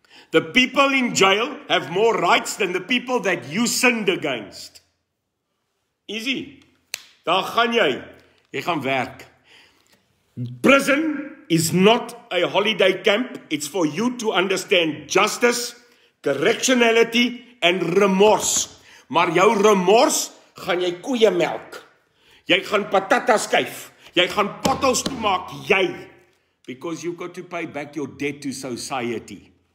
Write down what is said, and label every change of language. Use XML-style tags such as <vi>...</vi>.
<en>The people in jail have more rights than the people that you sinned against.</en> <af>Easy. Daar gaan jy. Jy gaan werk.</af> <en>Prison is not a holiday camp. It's for you to understand justice, correctionality, and remorse.</en> <af>Maar jou remorse, gaan jy koeie melk. Jy gaan patata skuif. Jy gaan pottels toemaak, jy.</af> <en>Because you've got to pay back your debt to society.</en>